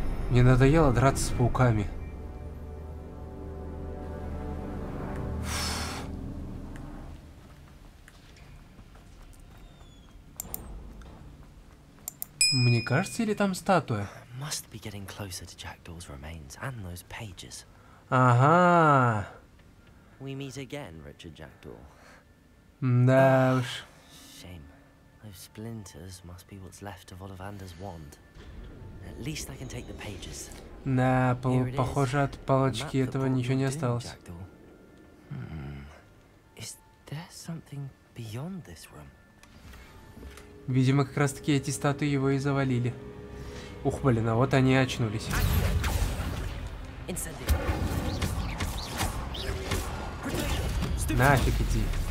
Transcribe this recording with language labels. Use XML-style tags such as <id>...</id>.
<ru>Мне надоело драться с пауками. Мне кажется, или там статуя?</ru> <en>Must be getting closer to Jackdaw's remains and those pages.</en> <ru>Ага.</ru> <en>We meet again, Richard Jackdaw.</en> <ru>Да уж.</ru> <en>Shame. Those splinters must be what's left of Ollivander's wand. At least I can take the pages.</en> <ru>Да, похоже, от палочки этого ничего не осталось.</ru> <en>Is there something beyond this room?</en> <ru>Видимо, как раз таки эти статуи его и завалили. Ух, блин, а вот они и очнулись. Нафиг иди.</ru>